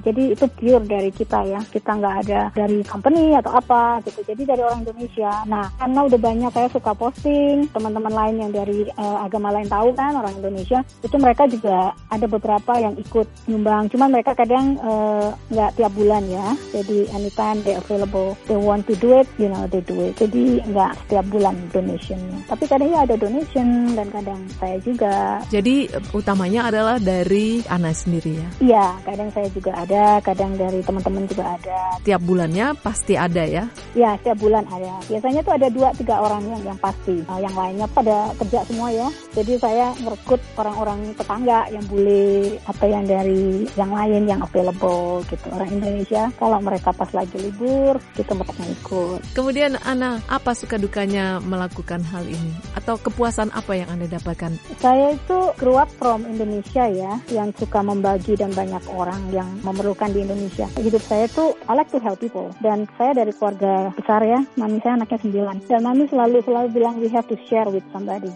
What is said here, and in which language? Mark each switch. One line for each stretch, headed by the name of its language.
Indonesian: Jadi itu pure dari kita ya, kita gak ada dari company atau apa gitu. Jadi dari orang Indonesia. Nah, karena udah banyak, saya suka posting, teman-teman lain yang dari agama lain tahu kan, orang Indonesia, itu mereka juga ada beberapa yang ikut nyumbang. Cuman mereka kadang nggak tiap bulan ya.
English: Jadi anytime they available, they want to do it, you know, they do it.
Indonesian: Jadi nggak setiap bulan donationnya. Tapi kadangnya ada donation dan kadang saya juga. Jadi utamanya adalah dari Ana sendiri ya? Iya, kadang saya juga ada, kadang dari teman-teman juga ada. Tiap bulannya pasti ada ya? Iya, setiap bulan ada. Biasanya tuh ada 2-3 orang yang pasti. Yang lainnya pada kerja semua ya. Jadi saya merekrut orang-orang tetangga yang bule atau yang dari yang lain yang available gitu. Orang Indonesia, kalau mereka pas lagi libur, kita mereka ikut. Kemudian Ana, apa suka dukanya melakukan hal ini? Atau kepuasan apa yang Anda dapatkan? Saya itu
English: grew up from Indonesia
Indonesian: ya, yang suka membagi dan banyak orang yang memerlukan di Indonesia. Hidup saya itu
English: I like to help people.
Indonesian: Dan saya dari keluarga besar ya, mami saya anaknya 9. Dan mami selalu bilang
English: we have to share with somebody.